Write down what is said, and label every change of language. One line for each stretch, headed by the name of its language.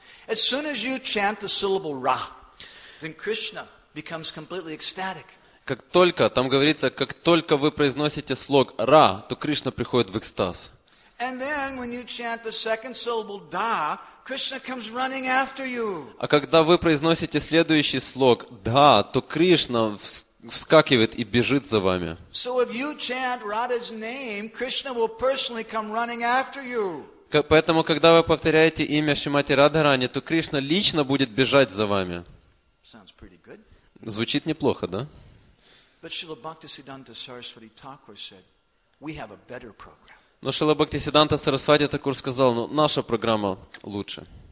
English: As soon as you chant the syllable «ра», then Krishna becomes completely ecstatic.
Russian: Как только, там говорится, как только вы произносите слог «ра», то Кришна приходит в экстаз.
English: And then when you chant the second syllable «да», Krishna comes running after you.
Russian: А когда вы произносите следующий слог «да», то Кришна вскакивает и бежит за вами.
English: So if you chant Radha's name, Krishna will personally come running after you.
Russian: Поэтому, когда вы повторяете имя Шримати Радхарани, то Кришна лично будет бежать за вами.
English: Sounds pretty good.
Russian: Звучит неплохо, да?
English: But Srila Bhaktisiddhanta Saraswati Thakur said, we have a better program.
Russian: Но Шрила Бхактисиддханта Сарасвати Такур сказал: «Ну, наша программа лучше».